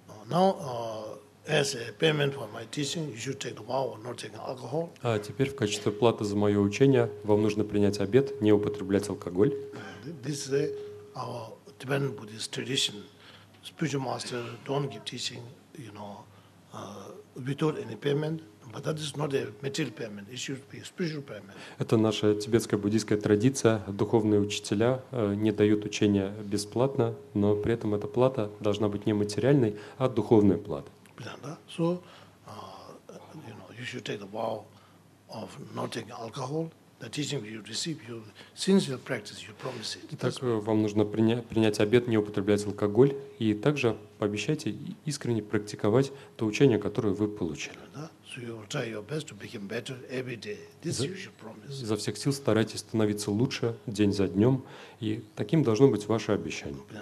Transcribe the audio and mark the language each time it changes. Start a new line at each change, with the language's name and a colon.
English: Now, as a payment for my teaching, you should take the vow of not taking alcohol.
Russian: А теперь в качестве платы за мое учение вам нужно принять обет не употреблять алкоголь.
English: This is our Tibetan Buddhist tradition. Spiritual master don't give teaching, you know, without any payment. But that is not a material payment. It should be a spiritual payment.
Russian: Это наша тибетская буддийская традиция. Духовные учителя не дают учения бесплатно, но при этом эта плата должна быть не материальной, а духовной платой.
English: So, you know, you should take the vow of not taking alcohol. The teaching you receive, you since you practice, you promise it.
Russian: Итак, вам нужно принять обет не употреблять алкоголь и также пообещайте искренне практиковать то учение, которое вы получили.
English: So you will try your best to become better every day. This you should promise.
Russian: Изо всех сил старайтесь становиться лучше день за днем, и таким должно быть ваше обещание.